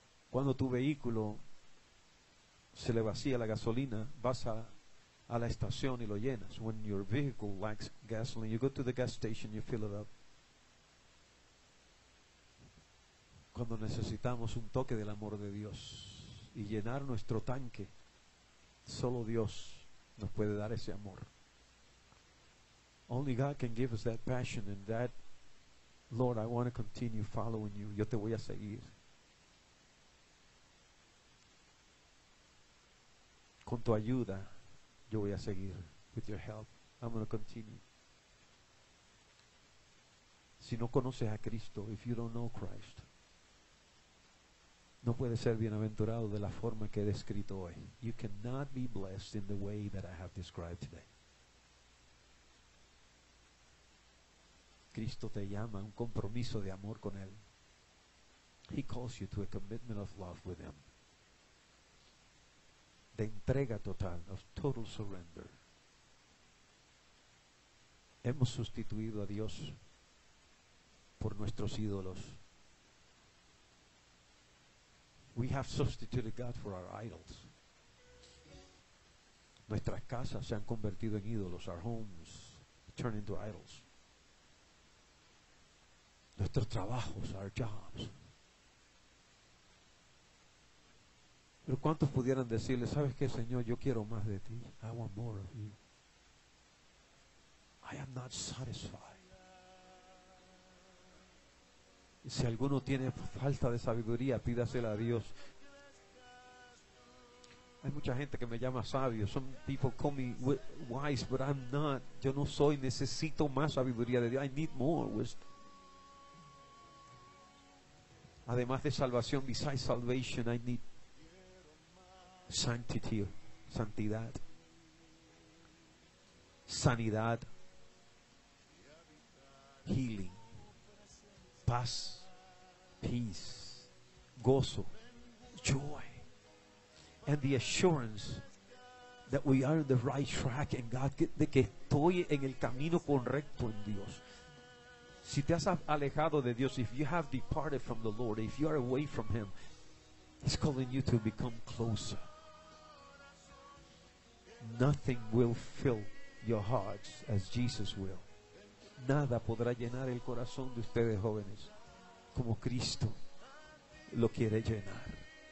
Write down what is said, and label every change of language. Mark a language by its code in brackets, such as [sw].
[es] Cuando tu vehículo se le vacía la gasolina, vas a la estación y lo llenas. [en] When your vehicle lacks gasoline, you go to the gas station, you fill it up. [es] Cuando necesitamos un toque del amor de Dios y llenar nuestro tanque, solo Dios nos puede dar ese amor. [en] Only God can give us that passion and that, Lord, I want to continue following you. [es] Yo te voy a seguir. Con tu ayuda, yo voy a seguir. [en] With your help, I'm going to continue. [es] Si no conoces a Cristo, [en] if you don't know Christ, [es] no puede ser bienaventurado de la forma que he descrito hoy. [en] You cannot be blessed in the way that I have described today. [es] Cristo te llama a un compromiso de amor con Él. [en] He calls you to a commitment of love with Him. [es] De entrega total, [en] of total surrender. [es] Hemos sustituido a Dios por nuestros ídolos. [en] We have substituted God for our idols. [es] Nuestras casas se han convertido en ídolos. [en] Our homes turn into idols. [es] Nuestros trabajos, [en] our jobs. [es] Pero ¿cuántos pudieran decirle, sabes qué, Señor, yo quiero más de ti? [en] I want more of you. I am not satisfied. [es] Y si alguno tiene falta de sabiduría, pídasela a Dios. Hay mucha gente que me llama sabio. [en] Some people call me wise, but I'm not. [es] Yo no soy. Necesito más sabiduría de Dios. [en] I need more wisdom. [es] Además de salvación, [en] besides salvation, I need sanctity, [es] santidad, sanidad, [en] healing, paz, peace, gozo, joy, and the assurance that we are on the right track in God, [es] de que estoy en el camino correcto en Dios. Si te has alejado de Dios, [en] if you have departed from the Lord, if you are away from Him, He's calling you to become closer. Nothing will fill your hearts as Jesus will. [es] Nada podrá llenar el corazón de ustedes jóvenes como Cristo lo quiere llenar.